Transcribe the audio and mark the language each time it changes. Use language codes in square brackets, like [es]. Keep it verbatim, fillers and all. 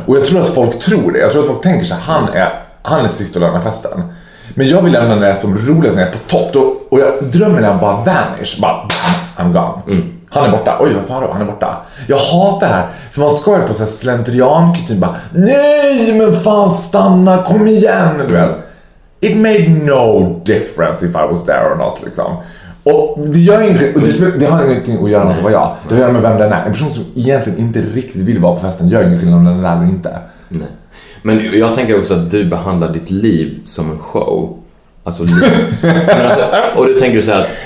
[sv] Och jag tror att folk tror det. Jag tror att folk tänker sig att han är, han är sist att lämna festen. Men jag vill lämna när jag är som roligast, när jag är på topp då, och jag drömmer när jag bara vanish, bara [en] I'm gone. [sv] Mm. Han är borta, oj vad fan då, han är borta. Jag hatar det här, för man ska ju på så här slentrian typ bara, nej men fan stanna, kom igen, du vet. [en] It made no difference if I was there or not liksom. [sv] Och det gör ingenting, och det, det har ingenting att göra med vad jag, det har att göra med vem den är. En person som egentligen inte riktigt vill vara på festen gör ingenting om den är eller inte. Nej. Men jag tänker också att du behandlar ditt liv som en show. Alltså, men alltså, och du tänker så här att